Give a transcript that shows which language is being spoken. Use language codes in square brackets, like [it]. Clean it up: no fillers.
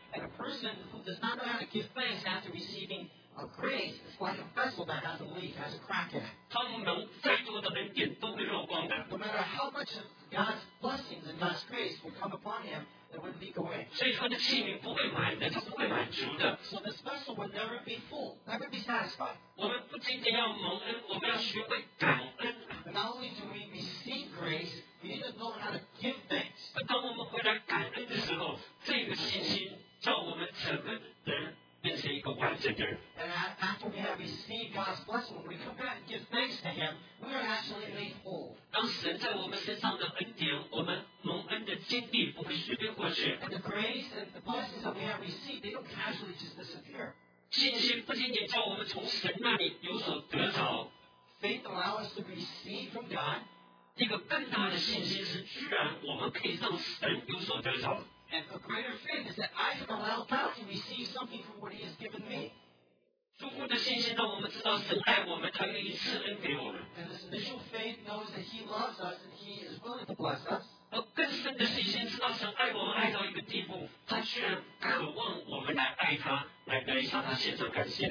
[en] And a person who does not know how to give thanks after receiving a grace is like a vessel that has a leak, has a crack in it. [zh] 他们能再多的恩典都会落光的。 [en] No matter how much of God's blessings and God's grace will come upon him, it would leak away. [zh] 所以他的器皿不会满的，他不会满足的。 [en] So this vessel would never be full, never be satisfied. [zh] 我们不仅仅要蒙恩，我们要学会感恩。 [en] Not only do we receive grace, we need to know how to give thanks. [zh] 但当我们回来感恩的时候，这个信心叫我们整个人变成一个完整的人。 [en] And after we have received God's blessing, when we come back and give thanks to Him, we are actually made whole. [zh] 当神在我们身上的恩典，我们蒙恩的经历不会随便过去。 [en] And the grace and the blessings that we have received, they don't casually just disappear. [zh] 信心不仅仅叫我们从神那里有所得着。 [en] Faith allows us to receive from God. [zh] 一个更大的信心是，居然我们可以让神有所得着。 [en] And And a greater faith is that I have allowed God to receive something from what He has given me. And this initial faith knows that He loves us and He is willing to bless us. And